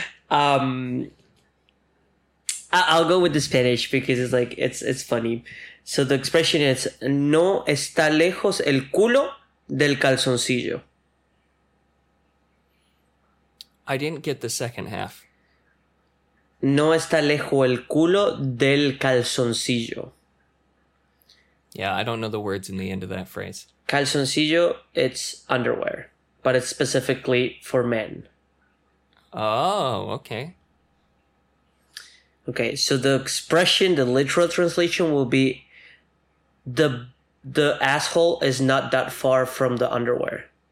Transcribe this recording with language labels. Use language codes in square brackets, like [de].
[en] I'll go with the Spanish because it's funny. So the expression is, [es] no está lejos el culo del calzoncillo. [en] I didn't get the second half. [es] No está lejos el culo del calzoncillo. [en] Yeah, I don't know the words in the end of that phrase. Calzoncillo, it's underwear, but it's specifically for men. Oh, okay. Okay, so the expression, the literal translation will be, the asshole is not that far from the underwear.